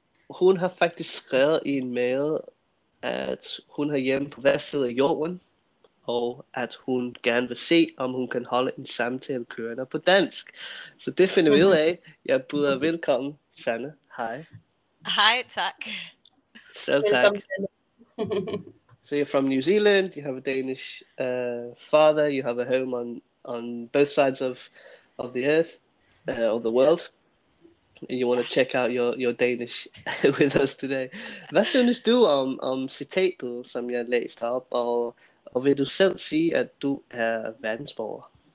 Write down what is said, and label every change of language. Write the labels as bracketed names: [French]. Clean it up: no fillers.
[Danish] Hun har faktisk skrevet i en mail, at hun har hjemme på hver side af jorden, og at hun gerne vil se, om hun kan holde en samtale kørende på dansk. Så det finder vi ud af. Jeg byder velkommen, Sanna. Hej. Hej, tak. Selv tak. [English] So you're from New Zealand, you have a Danish father, you have a home on both sides of the earth, of the world. And you want to check out your Danish with us today. [Danish] Hvad synes du om citatet, som jeg læste op, og vil du selv sige, at du er verdensborger?